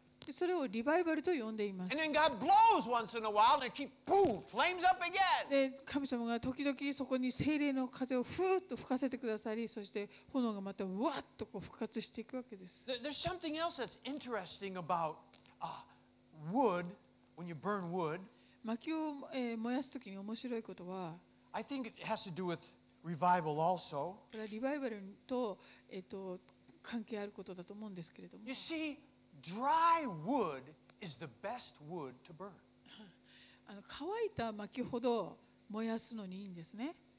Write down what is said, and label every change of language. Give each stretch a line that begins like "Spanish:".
Japanese: それをリバイバルと呼んでいます。で、神様が時々そこに聖霊の風をふーっと吹かせてくださり、そして炎がまたうわっとこう復活していくわけです。
English: There's something else that's interesting about wood when you burn wood.
Japanese: 薪を燃やすときに面白いことは、
English: I think it has to do with revival also.
Japanese: これはリバイバルと関係あることだと思うんですけれども。
English: You see, dry wood is the best wood to burn.
Japanese: あの乾いた薪ほど燃やすのにいいんですね。